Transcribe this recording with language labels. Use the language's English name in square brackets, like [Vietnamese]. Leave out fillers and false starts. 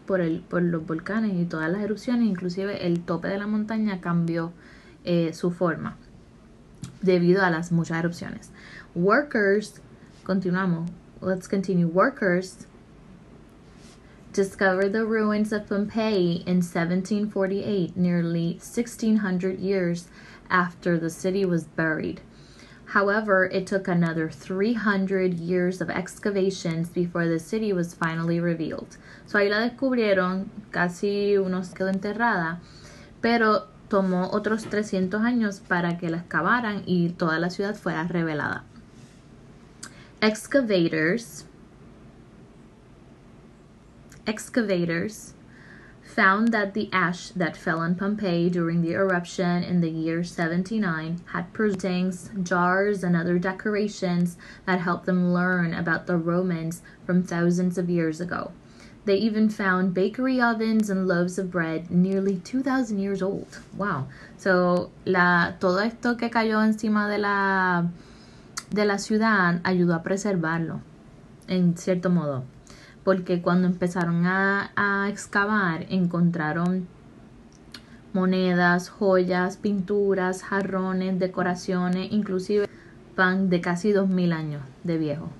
[Spanish] Por los volcanes y todas las erupciones, inclusive el tope de la montaña cambió su forma debido a las muchas erupciones. [English] Workers, [Spanish] continuamos, [English] let's continue, workers discovered the ruins of Pompeii in 1748, nearly 1600 years after the city was buried. However, it took another 300 years of excavations before the city was finally revealed. [Spanish] So ahí la descubrieron, casi uno se quedó enterrada, pero tomó otros 300 años para que la excavaran y toda la ciudad fuera revelada. [English] Excavators found that the ash that fell on Pompeii during the eruption in the year 79 had paintings, jars, and other decorations that helped them learn about the Romans from thousands of years ago. They even found bakery ovens and loaves of bread nearly 2,000 years old. Wow. [Spanish] So, todo esto que cayó encima de la ciudad ayudó a preservarlo, en cierto modo. Porque cuando empezaron a excavar, encontraron monedas, joyas, pinturas, jarrones, decoraciones, inclusive pan de casi 2,000 años de viejo.